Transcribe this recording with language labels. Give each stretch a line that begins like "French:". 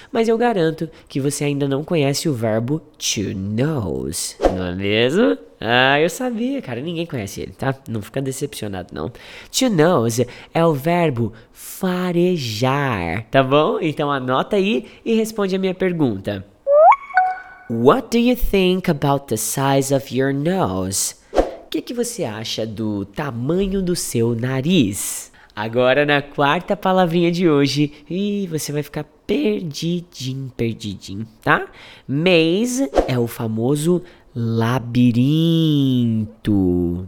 Portuguese: Mas eu garanto que você ainda não conhece o verbo to nose. Não é mesmo? Ah, eu sabia, cara. Ninguém conhece ele, tá? Não fica decepcionado, não. To nose é o verbo farejar, tá bom? Então anota aí e responde a minha pergunta.
English: What do you think about the size of your nose?
Portuguese: O que você acha do tamanho do seu nariz? Agora, na quarta palavrinha de hoje, você vai ficar perdidinho, tá? Maze é o famoso labirinto.